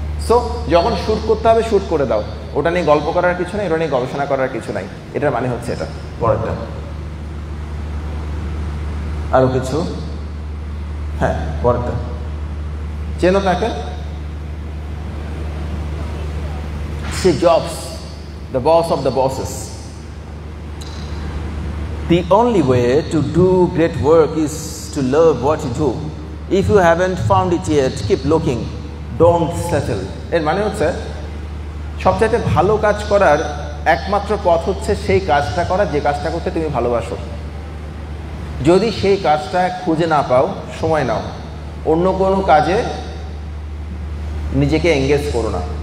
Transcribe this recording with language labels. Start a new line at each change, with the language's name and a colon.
Bangla: So যখন shoot করতে হবে শ্যুট করে দাও, ওটা নিয়ে গল্প করার কিছু নেই, ওটা নিয়ে গবেষণা করার কিছু নাই। এটার মানে হচ্ছে এটা। পরেরটা আরো কিছু, হ্যাঁ পরেরটা, চেনো তাকে, সে jobs,
English: The boss of the bosses. The only way to do great work is to love what you do. If you haven't found it yet, keep looking. Don't settle.
Bangla: এর মানে হচ্ছে, সবচেয়ে ভালো কাজ করার একমাত্র পথ হচ্ছে সেই কাজটা করা যে কাজটা করতে তুমি ভালোবাসো। যদি সেই কাজটা খুঁজে না পাও, সময় নাও, অন্য কোনো কাজে নিজেকে এঙ্গেজ করো না।